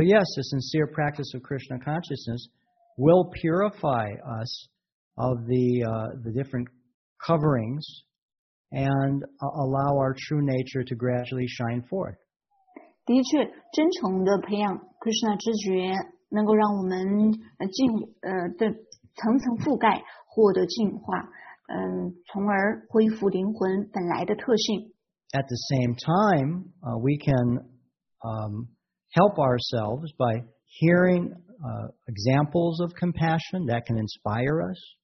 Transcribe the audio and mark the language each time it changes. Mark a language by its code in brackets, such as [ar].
[en] yes, the sincere practice of Krishna consciousness will purify us of the different coverings and allow our true nature to gradually shine forth. [zh] 的确，真诚的培养 Krishna 之觉。能够让我们层层覆盖，获得净化，从而恢复灵魂本来的特性。 [en] At the same time, we can help ourselves by hearing examples of compassion that can inspire us.